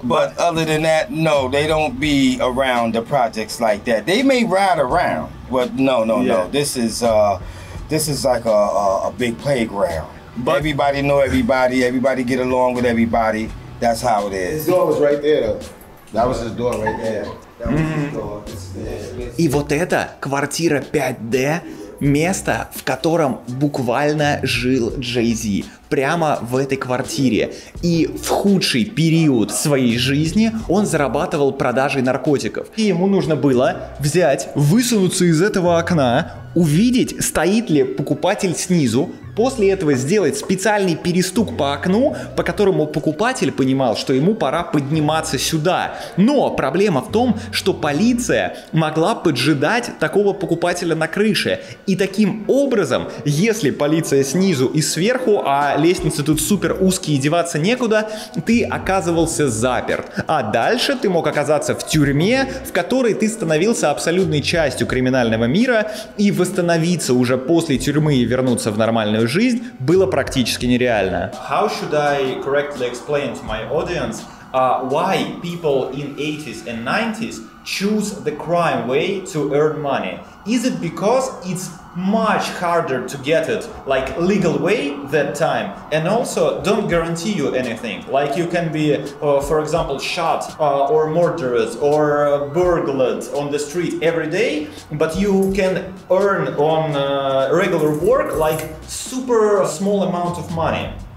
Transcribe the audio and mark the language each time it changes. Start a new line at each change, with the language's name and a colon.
English: But other than that, no, they don't be around the projects like that. They may ride around, but no, no, yeah. No. This is like a big playground. But everybody know everybody. Everybody get along with everybody. That's how it is. His door was right there, though. That was his door right there.
Russian: И вот это квартира 5D, место, в котором буквально жил Джей-Зи. Прямо в этой квартире. И в худший период своей жизни он зарабатывал продажей наркотиков. И ему нужно было взять, высунуться из этого окна, увидеть, стоит ли покупатель снизу, после этого сделать специальный перестук по окну, по которому покупатель понимал, что ему пора подниматься сюда. Но проблема в том, что полиция могла поджидать такого покупателя на крыше. И таким образом, если полиция снизу и сверху, а лестницы тут супер узкие, деваться некуда, ты оказывался заперт. А дальше ты мог оказаться в тюрьме, в которой ты становился абсолютной частью криминального мира, и восстановиться уже после тюрьмы и вернуться в нормальную жизнь было практически нереально.
English: How should I correctly explain to my audience why people in 80s and 90s choose the crime way to earn money? Is it because it's much harder to get it, like legal way that time, and also don't guarantee you anything, like you can be, for example, shot or murdered or burgled on the street every day, but you can earn on regular work like super small amount of money.